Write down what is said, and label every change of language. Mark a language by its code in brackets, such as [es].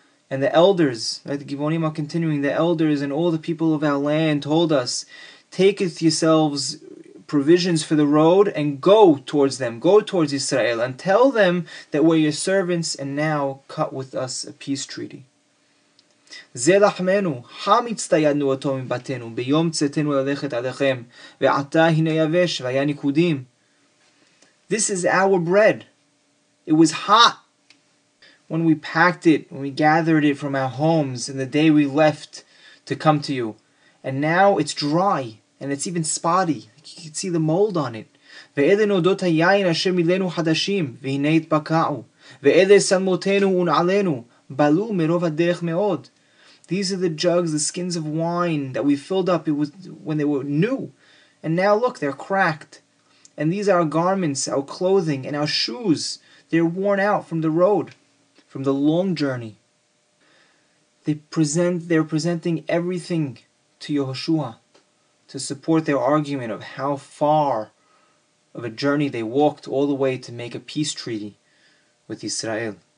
[en] And the elders, right, the Givonim are continuing, the elders and all the people of our land told us, take with yourselves provisions for the road and go towards them, go towards Israel and tell them that we're your servants and now cut with us a peace treaty. [he] זה לחמנו, חם הצטיידנו אותו מבתינו, ביום צאתנו ללכת עליכם, ועתה הנה יבש והיה ניקודים. [en] This is our bread. It was hot when we packed it, when we gathered it from our homes and the day we left to come to you. And now it's dry and it's even spotty. You can see the mold on it. [he] ואלה נודות היין אשר מילאנו חדשים, והנה התבקעו. ואלה סלמותינו ונעלינו, בלו מרוב הדרך מאוד. [en] These are the jugs, the skins of wine that we filled up when they were new. And now look, they're cracked. And these are our garments, our clothing, and our shoes. They're worn out from the road, from the long journey. They're presenting everything to Yahushua to support their argument of how far of a journey they walked all the way to make a peace treaty with Israel.